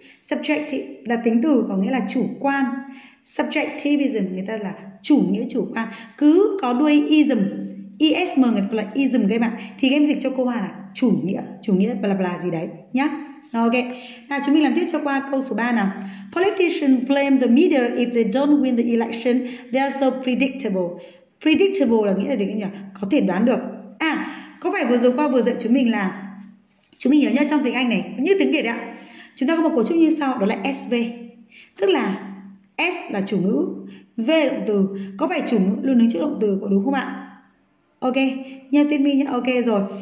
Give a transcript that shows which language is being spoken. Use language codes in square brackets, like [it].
[vi] Subject thì là tính từ có nghĩa là chủ quan. Subjectivism người ta là chủ nghĩa chủ quan. Cứ có đuôi ism, ism người ta gọi là ism game ạ. Thì game dịch cho cô Hoa là chủ nghĩa bla bla gì đấy nhá. Ok. Nào chúng mình làm tiếp cho qua câu số 3 nào. [en] Politicians blame the media if they don't win the election. They are so predictable. [vi] Predictable là nghĩa là gì em nhỉ? Có thể đoán được. À, có phải vừa rồi qua vừa dạy chúng mình là, chúng mình nhớ nhá, trong tiếng Anh này như tiếng Việt ạ, chúng ta có một cấu trúc như sau, đó là SV. Tức là S là chủ ngữ, V là động từ. Có phải chủ ngữ luôn đứng trước động từ, có đúng không ạ? Ok, nha Tuyết Minh nhá. Ok rồi.